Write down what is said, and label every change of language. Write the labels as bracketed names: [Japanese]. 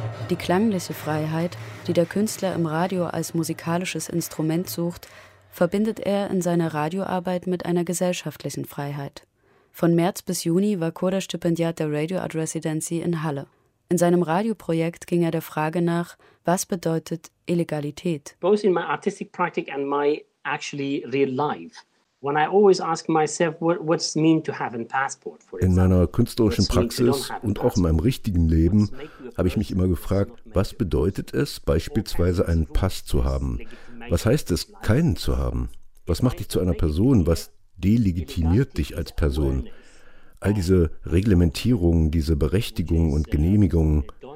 [German] Die klangliche Freiheit, die der Künstler im Radio als musikalisches Instrument sucht, verbindet er in seiner Radioarbeit mit einer gesellschaftlichen Freiheit. Von März bis Juni war Kurda Stipendiat der Radio Art Residency in Halle. In seinem Radioprojekt ging er der Frage nach, was bedeutet Illegalität? [English] Both in my artistic practice and my actually real life. When I always ask myself, what's mean to have a passport? [German] In meiner künstlerischen Praxis und auch in meinem richtigen Leben habe ich mich immer gefragt, was bedeutet es, beispielsweise einen Pass zu haben? Was heißt es, keinen zu haben? Was macht dich zu einer Person? Was delegitimiert dich als Person? All diese Reglementierungen, diese Berechtigungen und Genehmigungen.